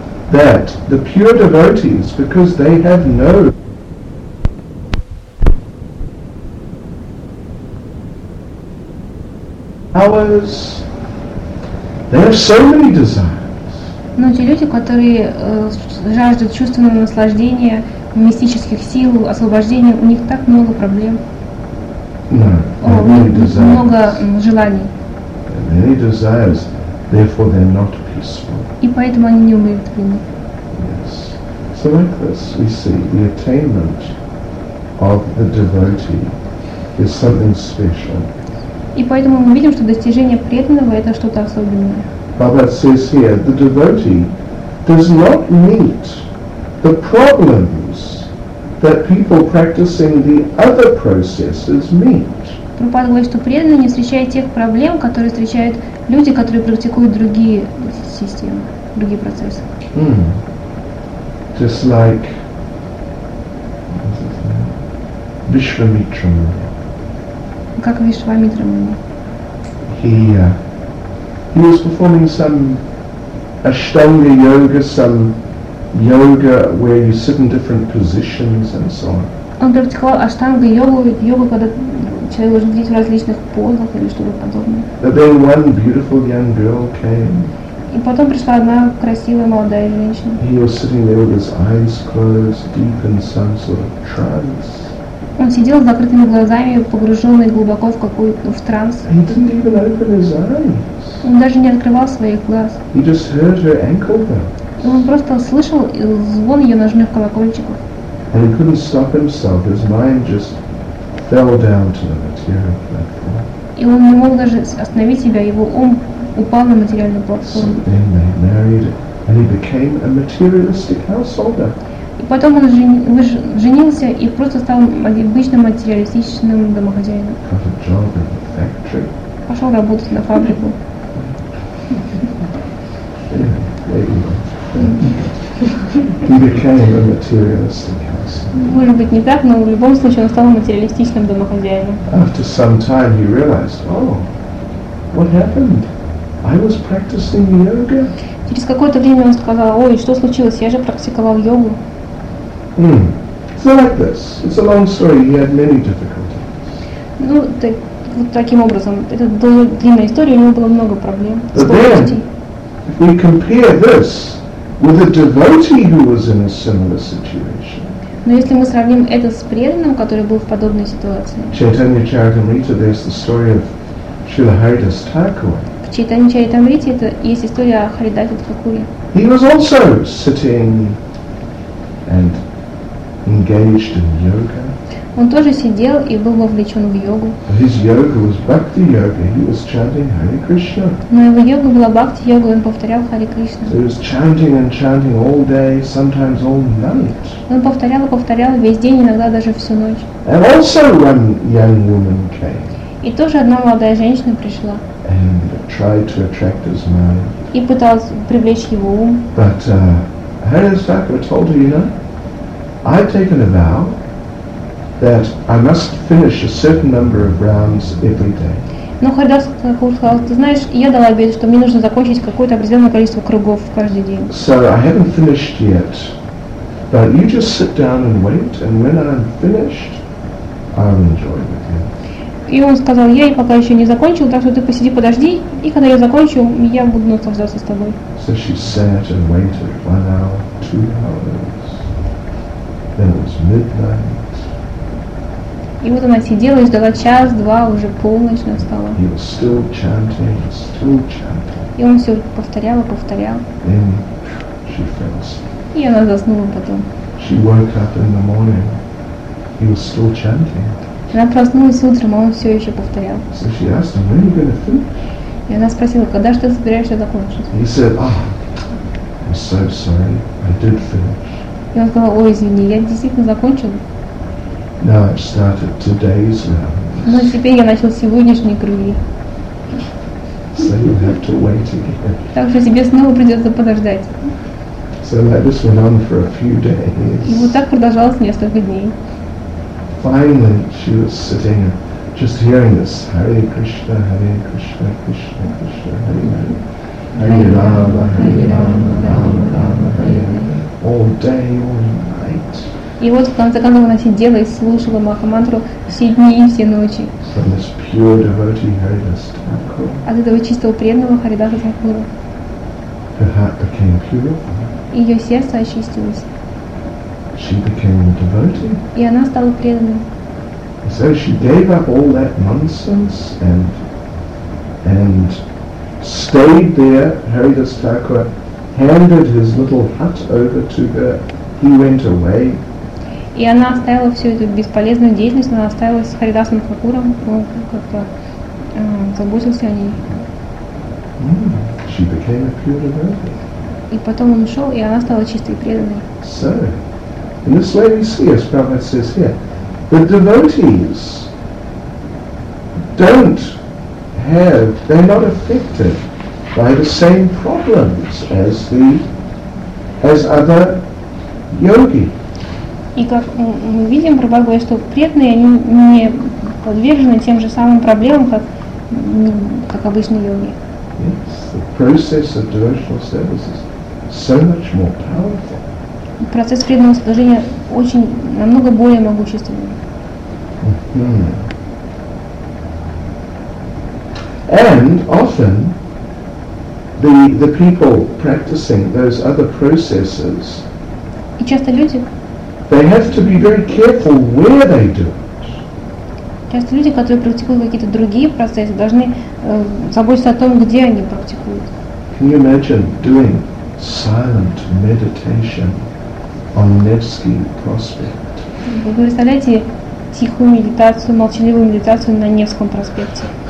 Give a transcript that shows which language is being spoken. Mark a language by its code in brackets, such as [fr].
[en] That the pure devotees, because they have no powers, they have so many desires. [ru] Но те люди, которые жаждут чувственного наслаждения, мистических сил, освобождения, у них так много проблем. Много желаний. [en] Many desires, therefore they're not peaceful. [ru] И поэтому они не умиротворены. [en] Yes. So like this, we see the attainment of a devotee is something special. [ru] И поэтому мы видим, что достижение преданного это что-то особенное. [en] Prabhupada says here, the devotee does not meet the problems that people practicing the other processes meet. [ru] Прабхупада говорит, что преданный не встречает тех проблем, которые встречают люди, которые практикуют другие системы, другие процессы. [en] Mm. Just like Vishwamitra Muni. [ru] Как Вишвамитра Муни. [en] He was performing some Ashtanga yoga, some yoga where you sit in different positions and so on. [ru] Он практиковал Ashtanga yoga, йога, когда человек должен сидеть в различных позах или что-то подобное. [en] But then one beautiful young girl came. [ru] И потом пришла одна красивая молодая женщина. [en] He was sitting there with his eyes closed, deep in some sort of trance. [ru] Он сидел с закрытыми глазами, погруженный глубоко в транс. [en] He didn't even open his eyes. [ru] Он даже не открывал своих глаз. [en] He just heard her ankle bells. [ru] И он просто слышал звон ее ножных колокольчиков. [en] And he couldn't stop himself. His mind just fell down to the material platform. [ru] И он не мог даже остановить себя. Его ум упал на материальную платформу. [en] So then they married, and he became a materialistic householder. [ru] И потом он женился и просто стал обычным материалистичным домохозяином. [en] Got a job in the factory. [ru] Пошел работать на фабрику. [en] He became a materialistic house. [ru] Может быть не так, но в любом случае он стал материалистичным домохозяином. [en] After some time he realized, oh, what happened? I was practicing yoga. [ru] Через какое-то время он сказал, ой, что случилось? Я же практиковал йогу. [en] Hmm. So like this. It's a long story. He had many difficulties. [ru] Ну, так, вот таким образом. Это длинная история, у него было много проблем. [en] But then, if we compare this with a devotee who was in a similar situation. [ru] Но если мы сравним это с преданным, который был в подобной ситуации. [en] Chaitanya Charitamrita, there's the story of Srila Haridas Thakur. [ru] В Chaitanya Charitamrita это есть история о Харидасе Такуре. [en] He was also sitting and engaged in yoga. [ru] Он тоже сидел и был вовлечен в йогу. [en] His yoga was bhakti yoga. He was chanting Hare Krishna. [ru] Но его йога была бхакти йога. Он повторял Хари Кришна. [en] He was chanting and chanting all day, sometimes all night. [ru] Он повторял и повторял весь день, иногда даже всю ночь. [en] And also one young woman came. [ru] И тоже одна молодая женщина пришла. [en] And tried to attract his mind. [ru] И пыталась привлечь его ум. [en] But Haridas Thakur told her, you know, I've taken a vow that I must finish a certain number of rounds every day. [ru] Но Харидас Такур сказал, ты знаешь, я дала обед, что мне нужно закончить какое-то определенное количество кругов каждый день. [en] So I haven't finished yet. But you just sit down and wait, and when I'm finished, I'll enjoy it again. [ru] И он сказал, я и пока еще не закончил, так что ты посиди, подожди, и когда я закончу, я буду наслаждаться с тобой. [en] So she sat and waited 1 hour, 2 hours. Then it was midnight. [ru] И вот она сидела и ждала час, два, уже полночь настала. [en] He was still chanting, still chanting. [ru] И он все повторял и повторял. [en] Then she fell asleep. [ru] И она заснула потом. [en] She woke up in the morning. He was still chanting. [ru] Она проснулась утром, а он все еще повторял. [en] So she asked him, when are you gonna finish? [ru] И она спросила, когда же ты собираешься закончить? [en] He said, oh, I'm so sorry, I did finish. [ru] И он сказал, ой, извини, я действительно закончил. [en] Now I've started 2 days now. [ru] Но теперь я начал сегодняшние круги. [en] So you have to wait again. [ru] Так что тебе снова придется подождать. [en] So that just went on for a few days. [ru] И вот так продолжалось несколько дней. [en] Finally, she was sitting and just hearing this, Hare Krishna, Hare Krishna, Krishna Krishna, Hare Hare, Hare Rama, Hare Rama, Rama Rama, Rama Hare Hare, all day, all night. [ru] И вот в конце концов она сидела и слушала Махамантру все дни и все ночи. [en] From this pure devotee, Haridas Thakur. [ru] От этого чистого преданного Харидаса Такура. [en] Her heart became pure. [ru] Ее сердце очистилось. [en] She became a devotee. [ru] И она стала преданной. [en] So she gave up all that nonsense and stayed there. Haridas Thakur handed his little hut over to her. He went away. [ru] И она оставила всю эту бесполезную деятельность, она оставилась с Харидасом Хакуром, он как-то заботился о ней. [en] She became a pure devotee. [ru] И потом он ушел, и она стала чистой и преданной. [en] So, in this way we see, as Prabhupada says here, the devotees don't have, they're not affected by the same problems as other yogi. [ru] И как мы видим, Прабхупада говорит, что преданные, они не подвержены тем же самым проблемам, как обычные йоги. [en] Yes, the process of devotional services so much more powerful. [ru] Процесс преданного служения очень намного более могущественный. Mm-hmm. [en] And often the people practicing those other processes, [ru] и часто люди, [en] they have to be very careful where they do it. [ru] Часто люди, которые практикуют какие-то другие процессы, должны заботиться о том, где они практикуют. [en] Can you imagine doing silent meditation on Nevsky Prospect? [ru] Вы представляете тихую медитацию, молчаливую медитацию на Невском проспекте?